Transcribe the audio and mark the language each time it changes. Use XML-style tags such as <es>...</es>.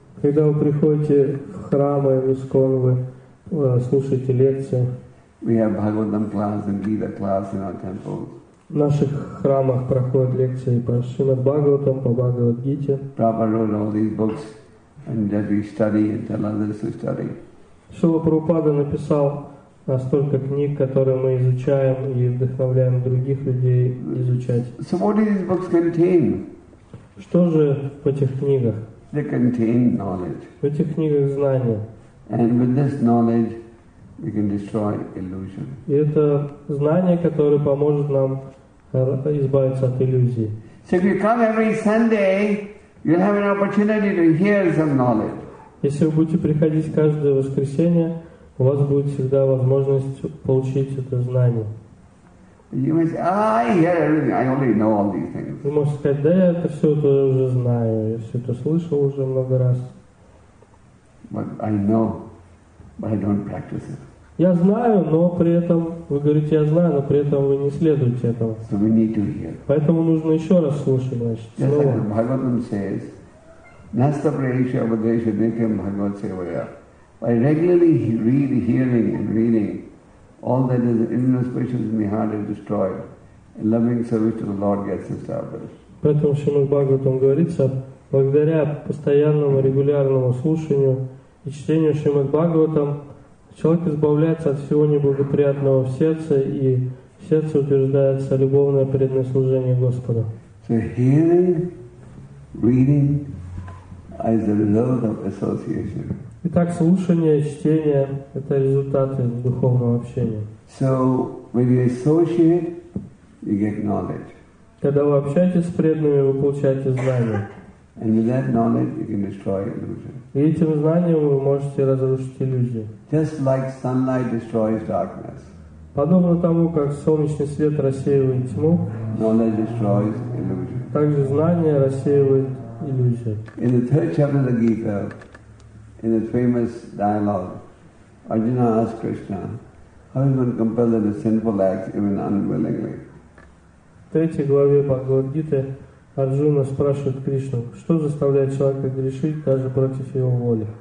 <ru>Когда вы приходите в храм и в ИСКОН, вы слушаете лекции.</ru> <en>We have Bhagavatam class and Gita class in our temples.</en> <ru>В наших храмах проходят лекции по Шримад Бхагаватам, по Бхагавад Гите.</ru> <en>Prabhupada wrote all these books and that we study and tell others to study.</en> <ru>Шрила Прабхупада написал настолько книг, которые мы изучаем и вдохновляем других людей изучать.</ru> <en>So what do these books contain?</en> <ru>Что же в этих книгах?</ru> <en>They contain knowledge.</en> <ru>В этих книгах знания.</ru> <en>And with this knowledge, we can destroy illusion.</en> <ru>И это знание, которое поможет нам избавиться от иллюзии.</ru> <en>So if you come every Sunday, you'll have an opportunity to hear some knowledge.</en> <ru>Если вы будете приходить каждое воскресенье, у вас будет всегда возможность получить это знание.</ru> <en>You may say, "I hear everything. I only know all these things."</en> <ru>Вы можете сказать: "Да, я это все это уже знаю, я все это слышал уже много раз."</ru> <en>But I know, but I don't practice it.</en> <ru>Я знаю, но при этом, вы говорите, я знаю, но при этом вы не следуете этого.</ru> <en>So we need to hear.</en> <ru>Поэтому нужно еще раз слушать, значит, снова.</ru> <en>Just like Bhagavatam says,</en> <sa>Nasta Prahisha Abhadesha Nityam Bhagavat Sevaya.</sa> <en>By regularly hearing and reading, all that is inauspicious in the heart is destroyed. And loving service to the Lord gets established.</en> <ru>Поэтому Шримад Бхагаватам говорится, благодаря постоянному регулярному слушанию и чтению Шримад Бхагаватам, человек избавляется от всего неблагоприятного в сердце, и в сердце утверждается любовное преданное служение Господу.</ru> <en>So hearing, reading is the result of association.</en> <ru>Итак, слушание и чтение – это результаты духовного общения.</ru> <en>So when you associate, you get knowledge.</en> <ru>Когда вы общаетесь с преданными, вы получаете знания.</ru> <en>And with that knowledge, you can destroy illusion.</en> <ru>И этим знанием вы можете разрушить иллюзии.</ru> <en>Just like sunlight destroys darkness.</en> <ru>Подобно тому, как солнечный свет рассеивает тьму,</ru> <en>knowledge destroys illusion.</en> <ru>Также знание рассеивает иллюзии.</ru> <en>In the third chapter of the Gita, in the famous dialogue, Arjuna asks Krishna, how is one compelled to do sinful acts even unwillingly?</en> <ru>В третьей главе Бхагавад-гиты Арджуна спрашивает Кришну, что заставляет человека грешить даже против его воли.</ru>